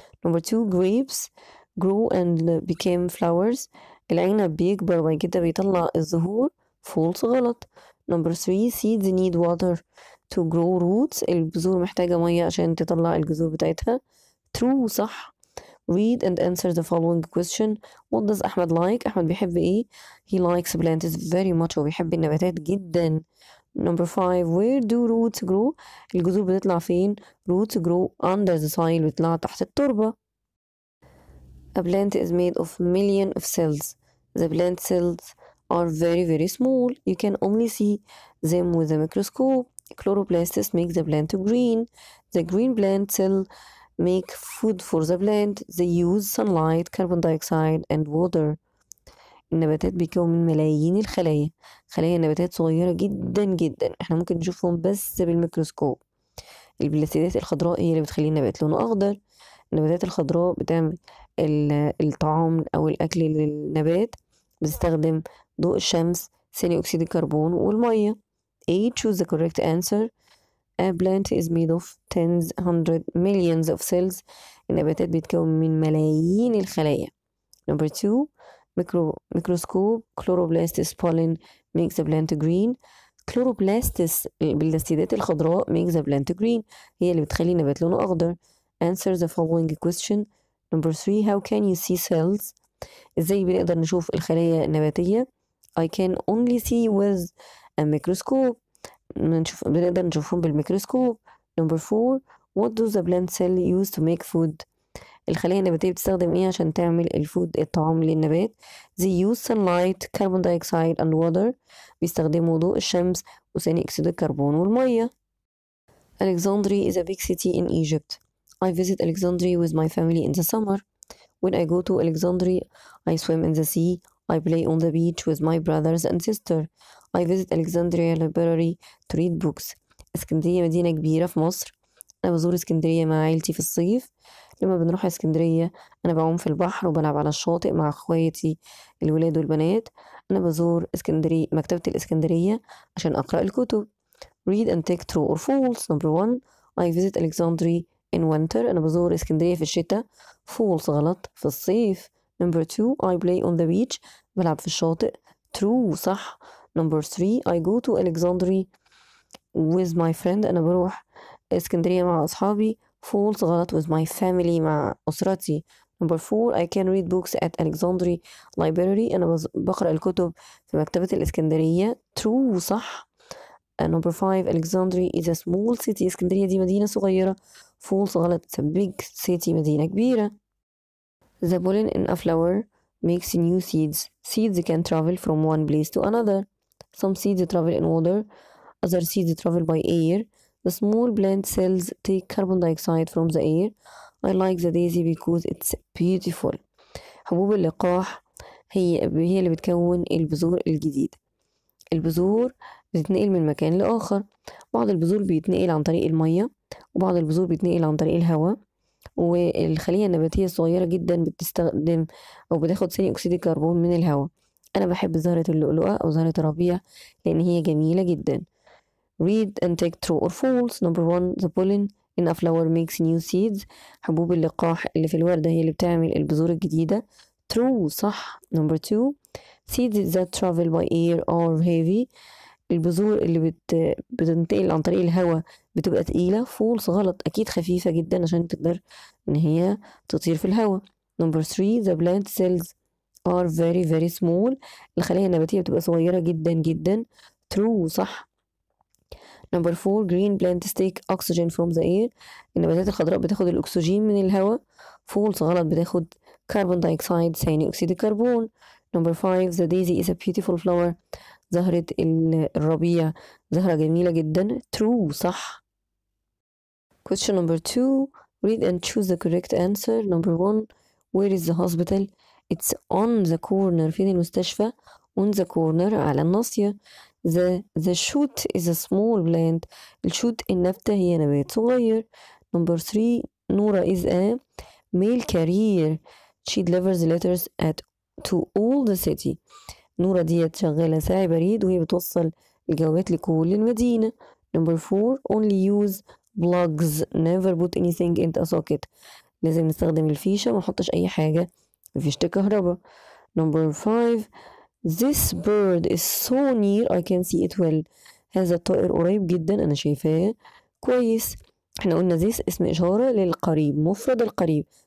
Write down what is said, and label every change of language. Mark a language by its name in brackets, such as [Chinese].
[English] number two: grapes grow and became flowers. [Arabic] العنب بيكبر وبعد كده بيطلع الزهور. [English] false، [Arabic] غلط. [English] number three: seeds need water to grow roots. [Arabic] البذور محتاجة مية عشان تطلع الجذور بتاعتها. [English] true، [Arabic] صح. [English] read and answer the following question. what does Ahmed like? [Arabic] Ahmed بيحب ايه؟ [English] he likes plants very much، [Arabic] وبيحب النباتات جدا. [English] number five: where do roots grow? [Arabic] الجذور بتطلع فين؟ [English] roots grow under the soil، [Arabic] بتطلع تحت التربة. [English] a plant is made of million of cells. the plant cells are very very small. you can only see them with a microscope. chloroplasts make the plant green. the green plant cell make food for the plant. they use sunlight, carbon dioxide and water. [Arabic] النباتات بيكون من ملايين الخلايا. خلايا النباتات صغيرة جدا جدا، احنا ممكن نشوفهم بس بالميكروسكوب. البلاستيدات الخضراء هي اللي بتخلي النبات لونه اخضر. النباتات الخضراء بتعمل الطعام او الاكل للنبات، بتستخدم ضوء الشمس، ثاني اكسيد الكربون والمية. [English] A. choose the correct answer. A plant is made of tens, hundred, millions of cells. [Arabic] النباتات بتكون من ملايين الخلايا. [English] number two: microscope. chloroplasts pollen makes the plant green. [Arabic] chloroplasts البلاستيدات الخضراء [English] makes the plant green، [Arabic] هي اللي بتخلي النبات لونه أخضر. [English] answer the following question. number three: how can you see cells؟ [Arabic] ازاي بنقدر نشوف الخلايا النباتية؟ [English] I can only see with a microscope. [Arabic] بنقدر نشوفهم بالميكروسكوب. [English] number four: what do the plant cell use to make food؟ [Arabic] الخلايا النباتية بتستخدم ايه عشان تعمل الفود، الطعام للنبات؟ [English] they use sunlight, carbon dioxide and water. [Arabic] بيستخدموا ضوء الشمس وثاني اكسيد الكربون والمية. [English] Alexandria is a big city in Egypt. I visit Alexandria with my family in the summer. when I go to Alexandria I swim in the sea. I play on the beach with my brothers and sister. I visit Alexandria library to read books. [Arabic] اسكندرية مدينة كبيرة في مصر. أنا بزور اسكندرية مع عيلتي في الصيف. لما بنروح اسكندرية أنا بعوم في البحر وبلعب على الشاطئ مع اخواتي الولاد والبنات. أنا بزور اسكندرية مكتبة الإسكندرية عشان أقرأ الكتب. [English] Read and take true or false. Number one, I visit Alexandria in winter. [Arabic] أنا بزور اسكندرية في الشتاء. [English] False, [Arabic] غلط, في الصيف. [English] Number two, I play on the beach. [Arabic] بلعب في الشاطئ. [English] True, [Arabic] صح. [English] Number three, I go to Alexandria with my friend. [Arabic] أنا بروح اسكندرية مع أصحابي. [English] False, [Arabic] غلط, [English] with my family, [Arabic] مع أسرتي. [English] Number four, I can read books at Alexandria Library. [Arabic] أنا بقرأ الكتب في مكتبة الإسكندرية. [English] True, [Arabic] صح. [English] Number five, Alexandria is a small city. [Arabic] إسكندرية دي مدينة صغيرة. [English] False, [Arabic] غلط, [English] it's a big city, [Arabic] مدينة كبيرة. [English] The pollen in a flower makes new seeds. Seeds can travel from one place to another. Some seeds travel in water. Other seeds travel by air. The small plant cells take carbon dioxide from the air. I like the daisy because it's beautiful. [Arabic] حبوب اللقاح هي اللي بتكون البذور الجديد. البذور بتتنقل من مكان لآخر. بعض البذور بيتنقل عن طريق المية، وبعض البذور بيتنقل عن طريق الهواء. والخلية النباتية الصغيرة جدا بتستخدم أو بتاخد ثاني أكسيد الكربون من الهواء. أنا بحب زهرة اللؤلؤة أو زهرة الربيع لأن هي جميلة جدا. [English] Read and take true or false. Number one, the pollen in a flower makes new seeds. [Arabic] حبوب اللقاح اللي في الوردة هي اللي بتعمل البذور الجديدة. [English] True, [Arabic] صح. [English] Number two, seeds that travel by air are heavy. [Arabic] البذور اللي بتنتقل عن طريق الهواء بتبقى تقيلة. [English] False, [Arabic] غلط, أكيد خفيفة جدا عشان تقدر إن هي تطير في الهواء. [English] Number three, the plant cells are very very small. [Arabic] الخلايا النباتية بتبقى صغيرة جدا جدا. [English] True, [Arabic] صح. [English] Number four, green plants take oxygen from the air. [Arabic] النباتات الخضراء بتاخد الأكسجين من الهواء. [English] False, [Arabic] غلط, بتاخد [English] carbon dioxide, [Arabic] ثاني أكسيد الكربون. [English] Number five, the daisy is a beautiful flower. [Arabic] زهرة الربيع زهرة جميلة جدا. [English] True, [Arabic] صح. [English] Question number two, read and choose the correct answer. Number one, where is the hospital? It's on the corner. [Arabic] فين المستشفى؟ [English] On the corner, [Arabic] على الناصية. [English] The shoot is a small plant. [Arabic] الشوت النبتة هي نبات صغير. [English] Number three, Nora is a mail carrier. She delivers letters to all the city. [Arabic] نورة دي شغالة ساعي بريد وهي بتوصل الجوابات لكل المدينة. [English] Number four, only use plugs. Never put anything into a socket. [Arabic] لازم نستخدم الفيشة ما نحطش أي حاجة في فيشة الكهرباء. [English] Number five, this bird is so near I can see it well. [Arabic] هذا الطائر قريب جدا أنا شايفاه كويس. احنا قلنا [English] this [Arabic] اسم إشارة للقريب، مفرد القريب.